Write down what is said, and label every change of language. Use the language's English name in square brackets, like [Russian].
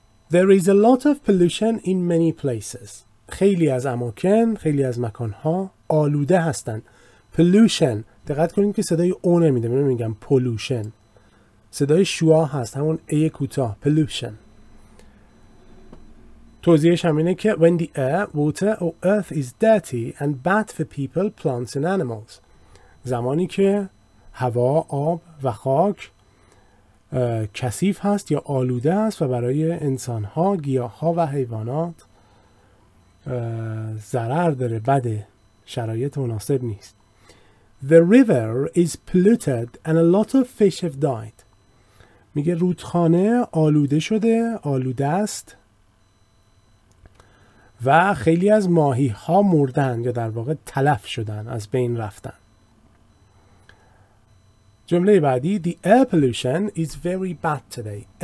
[English] There is a lot of pollution in many places. [Persian] خیلی از اماکن، خیلی از مکانها آلوده هستند. Pollution، دقت کنیم که صدای او نمیده، میگم pollution. صدای شوا هست، همون ای کوتاه، pollution. توضیحش هم اینه که [English] when the air, water or earth is dirty and bad for people, plants and animals. [Persian] زمانی که هوا، آب و خاک کثیف هست یا آلوده است و برای انسان‌ها، گیاه‌ها و حیوانات ضرر داره، بده، شرایط مناسب نیست. [English] The river is polluted and a lot of fish have died. [Persian] میگه رودخانه آلوده شده، آلوده است و خیلی از ماهی‌ها مردن یا در واقع تلف شدن، از بین رفتن. جمله بعدی [English] the air pollution is very bad today.